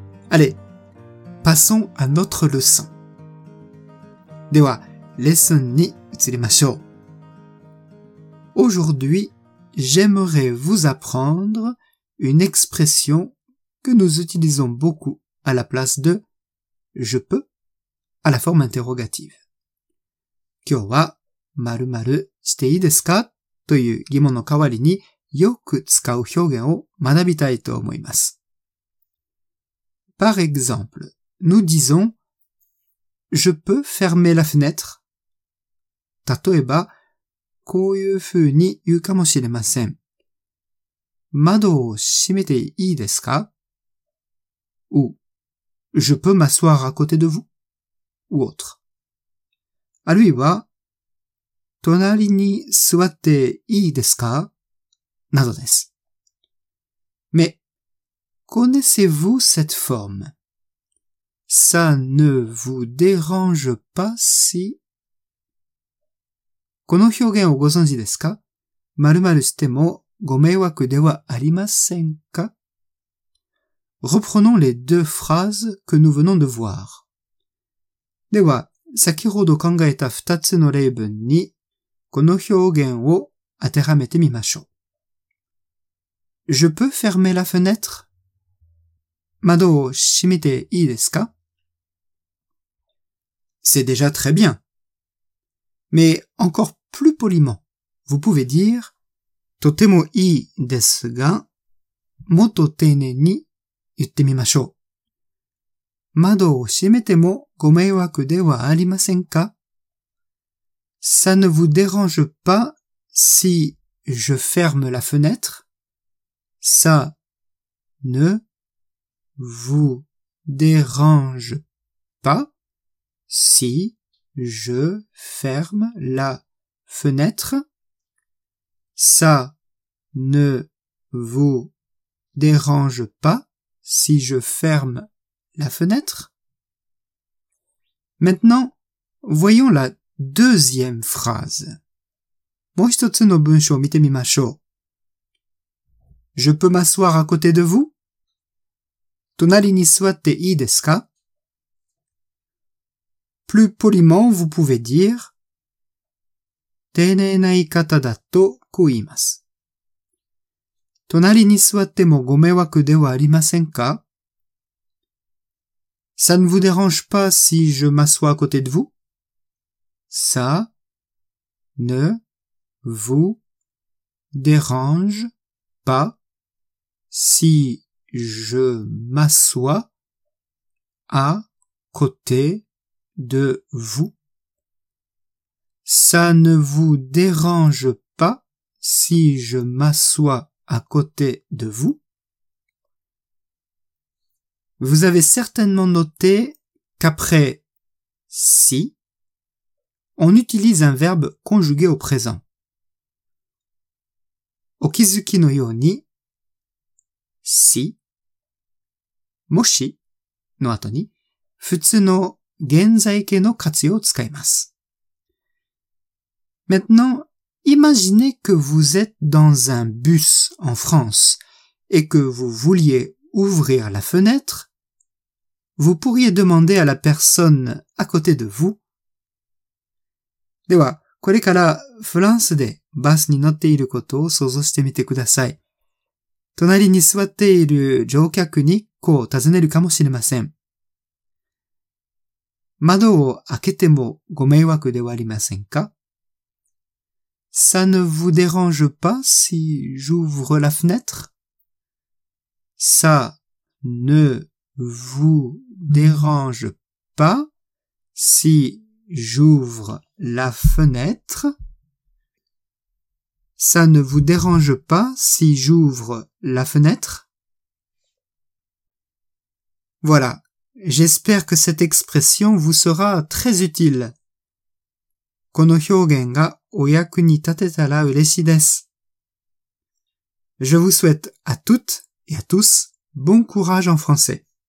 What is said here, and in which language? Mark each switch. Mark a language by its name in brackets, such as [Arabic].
[French] Allez, passons à notre leçon. [Japanese] Dewa, leçon ni utsurimashou. [French] Aujourd'hui, j'aimerais vous apprendre une expression que nous utilisons beaucoup à la place de « je peux » à la forme interrogative. [Japanese] 今日は〇〇していいですかという疑問の代わりによく使う表現を学びたいと思います。 [French] Par exemple, nous disons « je peux fermer la fenêtre ?» [Japanese] 例えば、こういうふうに言うかもしれません。窓を閉めていいですか? [French] Ou, je peux m'asseoir à côté de vous? Ou autre. [Japanese] あるいは、隣に座っていいですか? などです。 [French] Mais, connaissez-vous cette forme? Ça ne vous dérange pas si... [Japanese] この表現をご存知ですか?〇〇してもご迷惑ではありませんか? [French] Reprenons les deux phrases que nous venons de voir. [Japanese] では、先ほど考えた二つの例文にこの表現を当てはめてみましょう。 [French] Je peux fermer la fenêtre? [Japanese] 窓を閉めていいですか? [French] C'est déjà très bien. Mais encore plus poliment, vous pouvez dire [Japanese] とてもいいですが、もっと丁寧に言ってみましょう。窓を閉めてもご迷惑ではありませんか? [French] Ça ne vous dérange pas si je ferme la fenêtre? Ça ne vous dérange pas si je ferme la fenêtre? Ça ne vous dérange pas si je ferme la fenêtre? Maintenant, voyons la deuxième phrase. [Japanese] もう一つの文章を見てみましょう。 [French] Je peux m'asseoir à côté de vous? [Japanese] 隣に座っていいですか? [French] Plus poliment, vous pouvez dire [Japanese] 丁寧な言い方だとこう言います。隣に座ってもご迷惑ではありませんか? [French] Ça ne vous dérange pas si je m'assois à côté de vous? Ça ne vous dérange pas si je m'assois à côté de vous? Ça ne vous dérange pas si je m'assois à côté de vous? Vous avez certainement noté qu'après « si », on utilise un verbe conjugué au présent. [Japanese] お気づきのように、si、もしの後に、普通の現在形の活用を使います。 [French] Maintenant, imaginez que vous êtes dans un bus en France et que vous vouliez ouvrir la fenêtre, vous pourriez demander à la personne à côté de vous. [Japanese] では、これからフランスでバスに乗っていることを想像してみてください。隣に座っている乗客にこう尋ねるかもしれません。窓を開けてもご迷惑ではありませんか? [French] Ça ne vous dérange pas si j'ouvre la fenêtre? Ça ne vous dérange pas si j'ouvre la fenêtre? Ça ne vous dérange pas si j'ouvre la fenêtre? Voilà. J'espère que cette expression vous sera très utile. [Japanese] この表現がお役に立てたら嬉しいです。 [French] Je vous souhaite à toutes et à tous, bon courage en français.